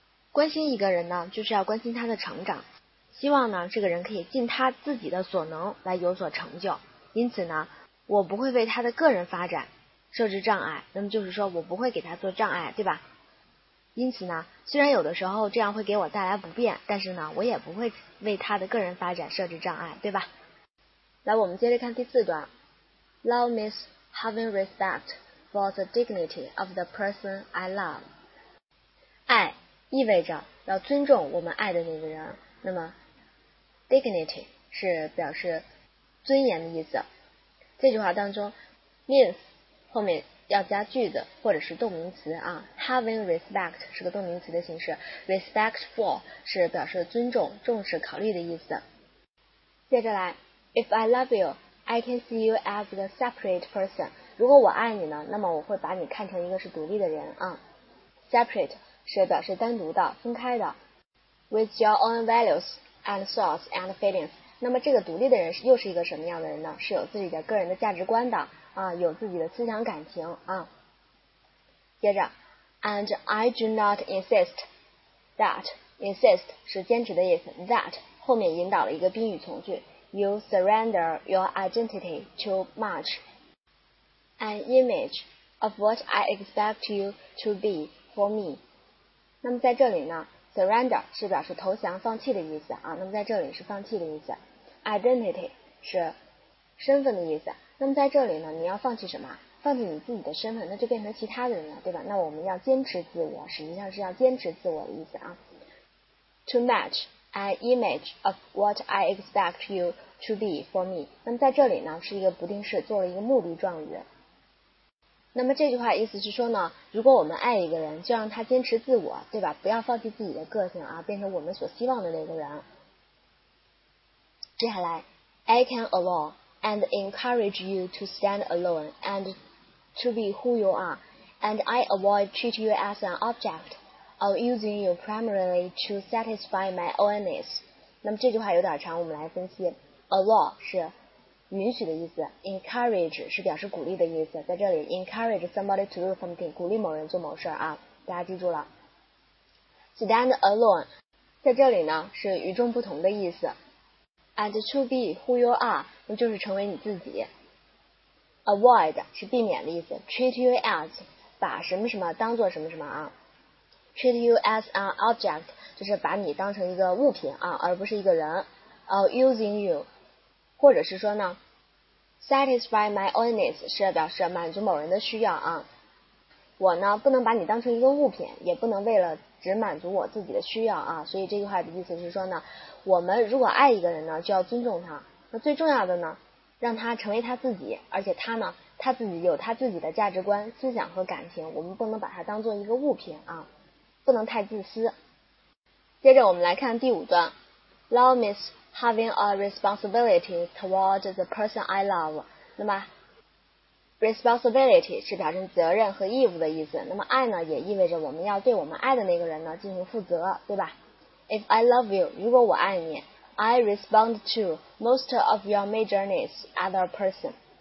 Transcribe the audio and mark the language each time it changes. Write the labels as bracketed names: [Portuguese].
[Chinese] 关心一个人呢，就是要关心他的成长，希望呢这个人可以尽他自己的所能来有所成就。因此呢，我不会为他的个人发展设置障碍，那么就是说我不会给他做障碍，对吧？因此呢，虽然有的时候这样会给我带来不便，但是呢我也不会为他的个人发展设置障碍，对吧？来，我们接着看第四段。 [English] Love means having respect for the dignity of the person I love。 [Chinese] 爱意味着要尊重我们爱的那个人，那么 dignity 是表示尊严的意思。这句话当中 means 后面要加句子或者是动名词啊。 [English] having respect [Chinese] 是个动名词的形式， [English] respect for [Chinese] 是表示尊重、重视、考虑的意思。接着来， [English] If I love you, I can see you as a separate person. [Chinese] 如果我爱你呢，那么我会把你看成一个是独立的人啊。 Separate 是表示单独的、分开的。 [English] With your own values and thoughts and feelings. [Chinese] 那么这个独立的人又是一个什么样的人呢？是有自己的个人的价值观的啊，有自己的思想感情啊。接着 [English] And I do not insist that. Insist [Chinese] 是坚持的意思。 That 后面引导了一个宾语从句。 [English] You surrender your identity too much. An image of what I expect you to be for me. [Chinese] 那么在这里呢 ,surrender 是表示投降放弃的意思啊。那么在这里是放弃的意思。 Identity 是身份的意思。那么在这里呢你要放弃什么？放弃你自己的身份，那就变成其他的人了，对吧？那我们要坚持自我，实际上是要坚持自我的意思啊。 [English] To match an image of what I expect you to be for me. [Chinese] 那么在这里呢是一个不定式，做了一个目的状语。那么这句话意思是说呢，如果我们爱一个人，就让他坚持自我，对吧？不要放弃自己的个性啊，变成我们所希望的那个人。接下来 [English] ，I can alone and encourage you to stand alone and to be who you are, and I avoid treat you as an object or using you primarily to satisfy my own needs. [Chinese] 那么这句话有点长，我们来分析。 Allow 是允许的意思 ，encourage 是表示鼓励的意思，在这里 [English] encourage somebody to do something， [Chinese] 鼓励某人做某事啊，大家记住了。 [English] Stand alone [Chinese] 在这里呢是与众不同的意思 ， [English] and to be who you are [Chinese] 那就是成为你自己。 Avoid 是避免的意思 ， [English] treat you as [Chinese] 把什么什么当做什么什么啊 ， [English] treat you as an object [Chinese] 就是把你当成一个物品啊，而不是一个人。 [English] Using you。 [Chinese] 或者是说呢 ， [English] satisfy my own needs [Chinese] 是表示满足某人的需要啊。我呢不能把你当成一个物品，也不能为了只满足我自己的需要啊。所以这句话的意思是说呢，我们如果爱一个人呢，就要尊重他。那最重要的呢，让他成为他自己，而且他呢他自己有他自己的价值观、思想和感情，我们不能把他当做一个物品啊，不能太自私。接着我们来看第五段 ， [English] Love is。 Having a responsibility toward the person I love. [Chinese] 那么 responsibility 是表示责任和义务的意思。那么爱呢也意味着我们要对我们爱的那个人呢进行负责，对吧？ [English] If I love you, [Chinese] 如果我爱你， [English] I respond to most of your major needs as a person.